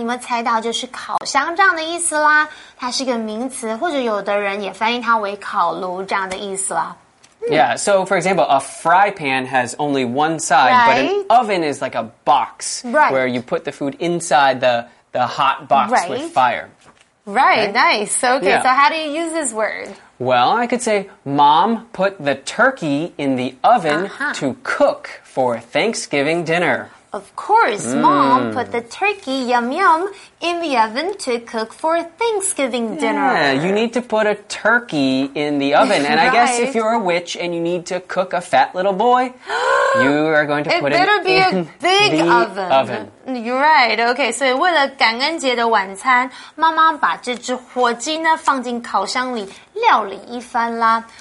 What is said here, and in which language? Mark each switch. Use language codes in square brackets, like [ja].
[zh] 你们猜到就是烤箱这样的意思啦。它是一个名词，或者有的人也翻译它为烤炉这样的意思啦。 [en] Yeah, so for example, a fry pan has only one side, right? But an oven is like a box where you put the food inside the hot box with fire. Right, nice. Okay, so how do you use this word? Well, I could say, Mom put the turkey in the oven to cook for Thanksgiving dinner. Of course, Mom put the turkey, yum yum, in the oven to cook for Thanksgiving dinner. Yeah, you need to put a turkey in the oven. And I guess if you're a witch and you need to cook a fat little boy, you are going to put it in a big oven. You're right. Okay, so [zh] 为了感恩节的晚餐，妈妈把这只火鸡呢放进烤箱里料理一番啦。